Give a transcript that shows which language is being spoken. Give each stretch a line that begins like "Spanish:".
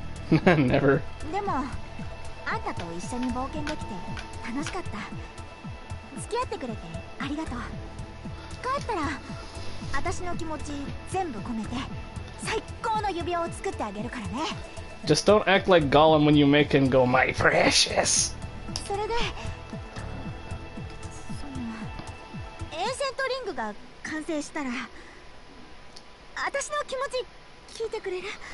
English: Never.
Japanese: でもあんたと一緒に冒険できて楽しかった。付き合ってくれてありがとう。帰ったら私の気持ち全部込めて最高の指輪を作ってあげるからね。
English: Just don't act like Gollum when you make him go, my precious.
Japanese: それで、そのエンシェントリングが完成したら、私の気持ち聞いてくれる？